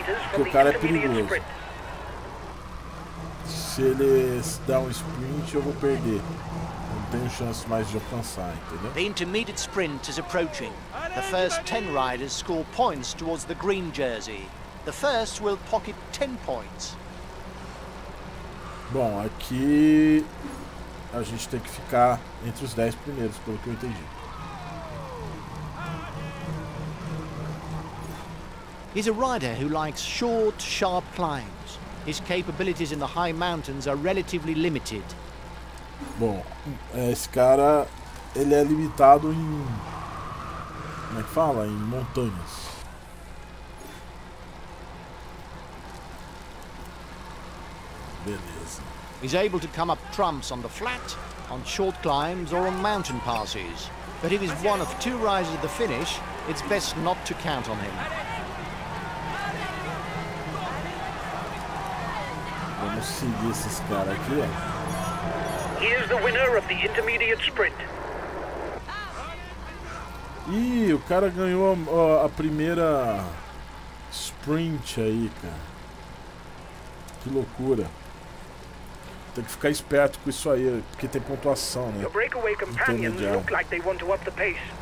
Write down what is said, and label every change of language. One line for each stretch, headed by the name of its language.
Portuguese: Porque o cara é perigoso. Se ele der um sprint, eu vou perder. Tenho chance mais de alcançar, entendeu?
English: The intermediate sprint is approaching. The first 10 riders score points towards the green jersey. The first will pocket 10 points.
Portuguese: Bom, aqui a gente tem que ficar entre os 10 primeiros, pelo que eu entendi.
English: He's a rider who likes short, sharp climbs. His capabilities in the high mountains are relatively limited.
Portuguese: Bom, esse cara, ele é limitado em, como é que fala? Em montanhas. Beleza.
English: He's able to come up trumps on the flat, on short climbs or on mountain passes. But if he's one of two riders at the finish, it's best not to count on him.
Portuguese: Vamos seguir esses caras aqui, ó.
English: Here's the winner of the intermediate sprint.
Portuguese: Ih, o cara ganhou a primeira sprint aí, cara. Que loucura. Tem que ficar esperto com isso aí, porque tem pontuação, né?
English: Your breakaway companions look like they want to up the pace.